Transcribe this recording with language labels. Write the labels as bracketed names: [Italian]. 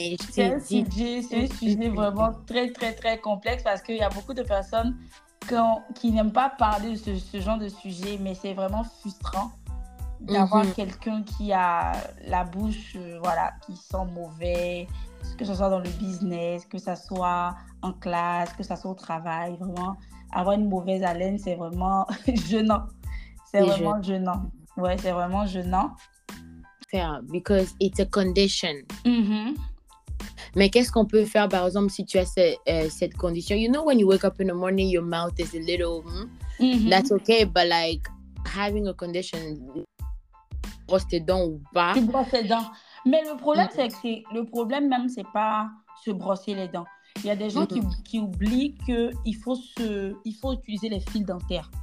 [French] C'est un sujet vraiment très, très, très complexe parce qu'il y a beaucoup de personnes qui n'aiment pas parler de ce genre de sujet, mais c'est vraiment frustrant d'avoir quelqu'un qui a la bouche, qui sent mauvais, que ce soit dans le business, que ce soit en classe, que ce soit au travail. Vraiment, avoir une mauvaise haleine, c'est vraiment gênant. C'est vraiment gênant. [English] Fair, because it's a condition. [French] Mais qu'est-ce qu'on peut faire, par exemple, si tu as cette condition? [English] You know when you wake up in the morning, your mouth is a little... That's okay, but like, having a condition... [French] Brosse tes dents ou pas? Tu brosses tes dents. Mais le problème, c'est que le problème même, c'est pas se brosser les dents. Il y a des gens qui oublient qu'il faut, utiliser les fils dentaires.